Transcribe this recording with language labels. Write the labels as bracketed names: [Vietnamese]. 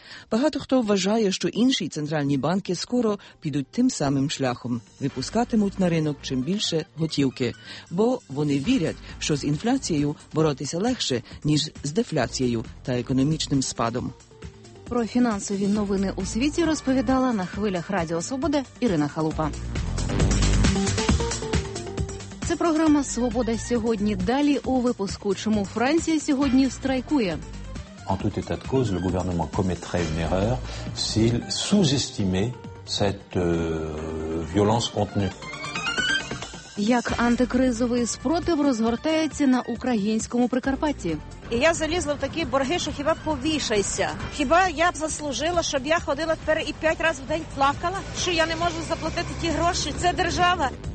[Ukrainian] Багато хто вважає, що інші центральні банки скоро підуть тим самим шляхом, випускатимуть на ринок чим більше готівки, бо вони вірять, що з інфляцією боротися легше, ніж з дефляцією та економічним спадом. Про фінансові новини у світі розповідала на хвилях Радіо Свобода Ірина Халупа. Це програма «Свобода сьогодні». Далі у випуску, чому Франція сьогодні страйкує. [French] En tout état de cause, le gouvernement commettrait une erreur s'il sous-estimait cette violence contenue. [Ukrainian] Як антикризовий спротив розгортається на українському Прикарпатті. І я залізла в такі борги, що хіба повішайся. Хіба я б заслужила, щоб я ходила тепер і 5 разів в день плакала, що я не можу заплатити ті гроші? Це держава.